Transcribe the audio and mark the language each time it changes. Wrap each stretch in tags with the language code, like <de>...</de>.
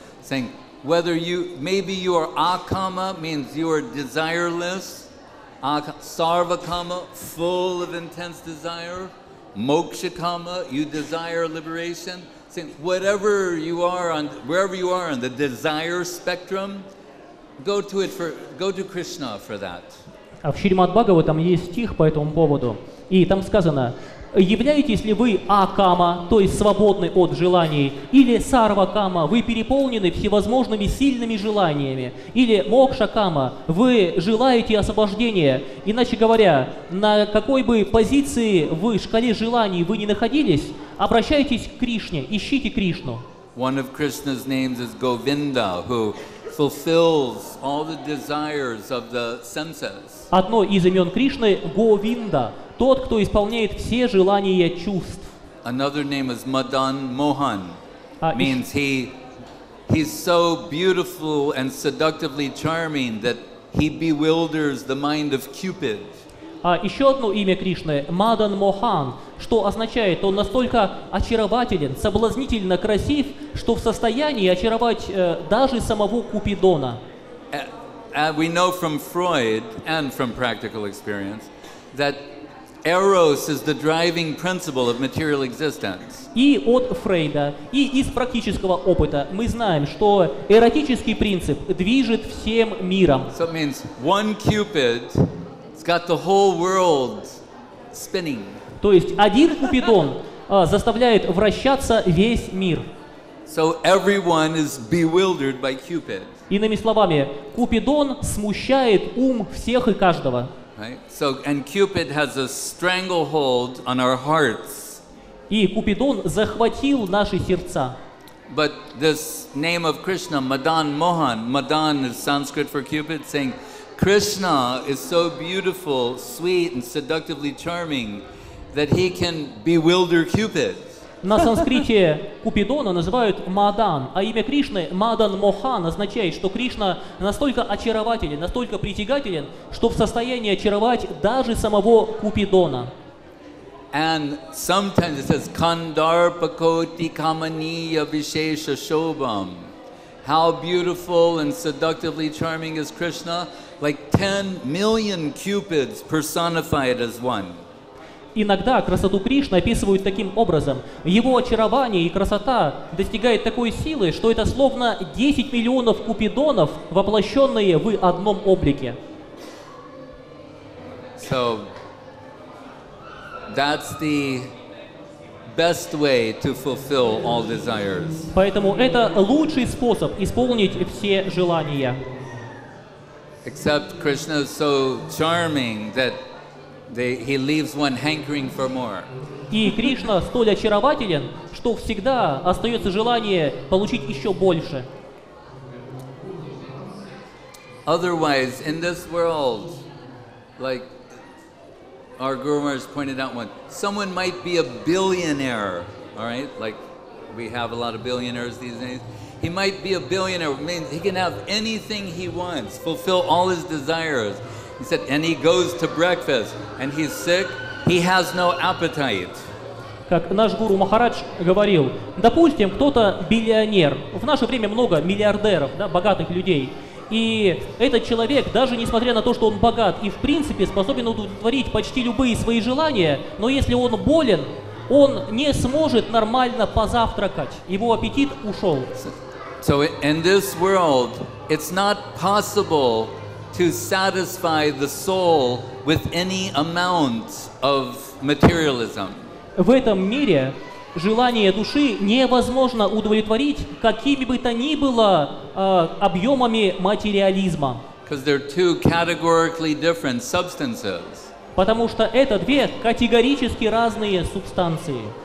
<en>Saying, maybe you are akama, means you are desireless. Sarvakama, full of intense desire. Mokshakama, you desire liberation. Whatever you are on, wherever you are on the desire spectrum, go to Krishna for that.</en> <ru>В Шримад Бхагаватам есть стих по этому поводу, и там сказано: являетесь ли вы акама, то есть свободны от желаний, или сарвакама, вы переполнены всевозможными сильными желаниями, или мокшакама, вы желаете освобождения. Иначе говоря, на какой бы позиции вы, шкале желаний вы ни находились, обращайтесь к Кришне, ищите Кришну.</ru> <en>One of Krishna's names is Govinda, who fulfills all the desires of the senses.</en> <ru>Одно из имен Кришны – Говинда, тот, кто исполняет все желания чувств.</ru> <en>Another name is Madan Mohan, means he's so beautiful and seductively charming that he bewilders the mind of Cupid.</en> <ru>Еще одно имя Кришны – Мадан Мохан, что означает, он настолько очарователен, соблазнительно красив, что в состоянии очаровать даже самого Купидона.</ru> <en>We know from Freud and from practical experience that Eros is the driving principle of material existence.</en> <ru>И от Фрейда, и из практического опыта мы знаем, что эротический принцип движет всем миром.</ru> <en>So it means one Cupid got the whole world spinning.</en> <ru>То есть один Купидон заставляет вращаться весь мир.</ru> <en>So everyone is bewildered by Cupid.</en> <ru>Иными словами, Купидон смущает ум всех и каждого.</ru> <en>Right? So and Cupid has a stranglehold on our hearts.</en> <ru>И Купидон захватил наши сердца.</ru> <en>But this name of Krishna, Madan Mohan, Madan is Sanskrit for Cupid, saying Krishna is so beautiful, sweet, and seductively charming that he can bewilder Cupid.</en> <ru>На санскрите Купидона называют Мадан, а имя Кришны Мадан Мохан означает, что Кришна настолько очарователен, настолько притягателен, что в состоянии очаровать даже самого Купидона.</ru> <en>And sometimes it says</en> <sa>Kandarpakoti Kamaniya Vishesha Shobham.</sa> <en>How beautiful and seductively charming is Krishna? Like 10 million cupids personified as one.</en> <ru>иногда красоту Кришны описывают таким образом. Его очарование и красота достигает такой силы, что это словно 10 миллионов купидонов, воплощенные в одном облике.</ru> <en>So, that's the best way to fulfill all desires.</en> <ru>Поэтому это лучший способ исполнить все желания.</ru> <en>Except Krishna is so charming that he leaves one hankering for more.</en> <ru>И Кришна столь очарователен, что всегда остается желание получить еще больше.</ru> <en>Otherwise, in this world, like our Guru Maharaj pointed out one, someone might be a billionaire, all right? Like we have a lot of billionaires these days. He might be a billionaire, means he can have anything he wants, fulfill all his desires. He said, and he goes to breakfast, and he's sick, he has no appetite.</en> <ru>Как наш Гуру Махарадж говорил, допустим, кто-то миллионер, в наше время много миллиардеров, да, богатых людей, и этот человек, даже несмотря на то, что он богат и в принципе способен удовлетворить почти любые свои желания, но если он болен, он не сможет нормально позавтракать, его аппетит ушел.</ru> <en>So in this world, it's not possible to satisfy the soul with any amount of materialism.</en> <ru>В этом мире желание души невозможно удовлетворить какими бы то ни было объемами материализма.</ru> <en>Because they're two categorically different substances.</en> <ru>Потому что это две категорически разные субстанции.</ru>